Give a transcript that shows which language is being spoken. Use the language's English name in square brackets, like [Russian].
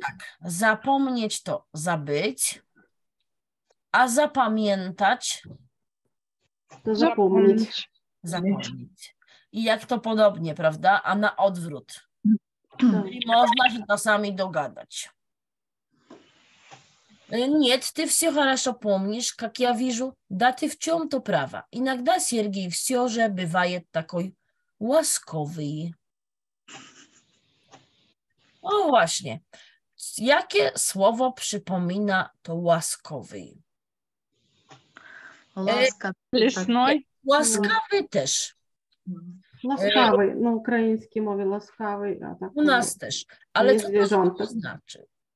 [Polish] Tak, zapomnieć to zabyć, a zapamiętać to zapomnieć. Zapomnieć. I jak to podobnie, prawda? A na odwrót. Tak. I można się czasami dogadać. [Russian] Nie, ty все хорошо помнишь, как я вижу, да ты в чем то права. Иногда Сергей все же бывает такой ласковый. [Polish] O właśnie. Jakie słowo przypomina to ласковый? Ласковый też. Ласковый, no ukraiński mówi ласковый. U nas też. Ale co to znaczy?